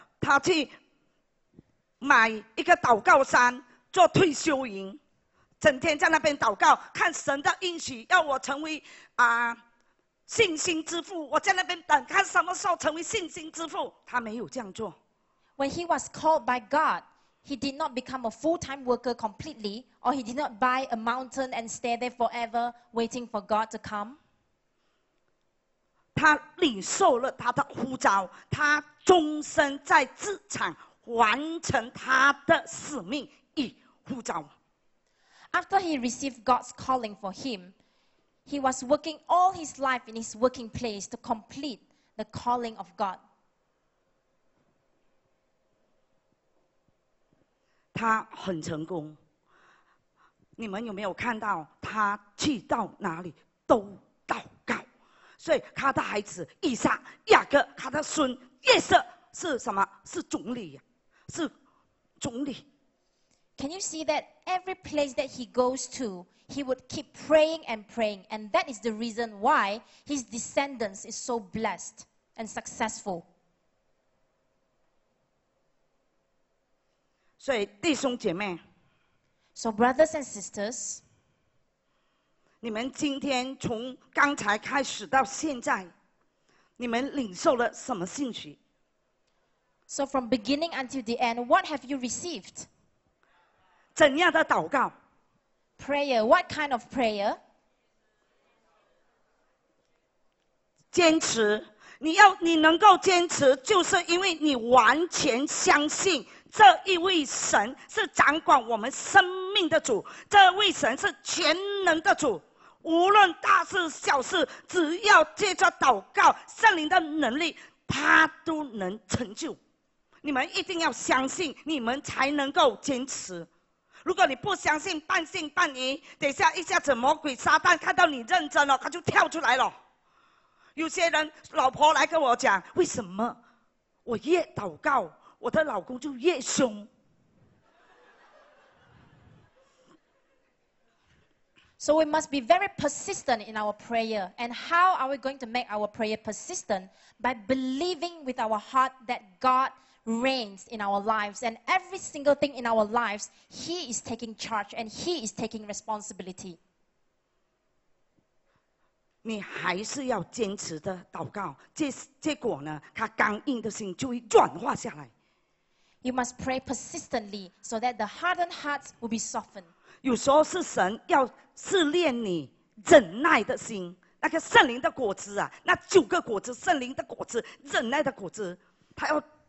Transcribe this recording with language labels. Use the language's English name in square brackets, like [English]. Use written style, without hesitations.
[Chinese] 他去买一个祷告山做退休营，整天在那边祷告，看神的应许要我成为信心之父。我在那边等，看什么时候成为信心之父。他没有这样做。 [English] When he was called by God, he did not become a full-time worker completely, or he did not buy a mountain and stay there forever waiting for God to come. [Chinese] 他领受了他的呼召，他终身在职场完成他的使命与呼召。 [English] After he received God's calling for him, he was working all his life in his working place to complete the calling of God. [Chinese] 他很成功。你们有没有看到他去到哪里都祷告？所以他的孩子以撒、雅各，他的孙约瑟是什么？是总理，是总理。 [English] Can you see that every place that he goes to, he would keep praying and praying, and that is the reason why his descendants is so blessed and successful. [Chinese] 所以弟兄姐妹， [English] So brothers and sisters, [Chinese] 你们今天从刚才开始到现在，你们领受了什么信息？ [English] So from beginning until the end, what have you received? [Chinese] 怎样的祷告 [English] ？Prayer. What kind of prayer? [Chinese] 坚持，你能够坚持，就是因为你完全相信这一位神是掌管我们生命的主，这位神是全能的主。无论大事小事，只要借着祷告，圣灵的能力，他都能成就。你们一定要相信，你们才能够坚持。如果你不相信，半信半疑，等一下一下子魔鬼撒旦看到你认真了，他就跳出来了。有些人老婆来跟我讲，为什么我越祷告，我的老公就越凶 [English] ？So we must be very persistent in our prayer. And how are we going to make our prayer persistent? By believing with our heart that God. Reigns in our lives, and every single thing in our lives, He is taking charge and He is taking responsibility. [Chinese] 你还是要坚持的祷告，结果呢，他刚硬的心就会软化下来。 [English] You must pray persistently so that the hardened hearts will be softened. [Chinese] 有时候是神要试炼你忍耐的心，那个圣灵的果子啊，那九个果子，圣灵的果子，忍耐的果子，他要。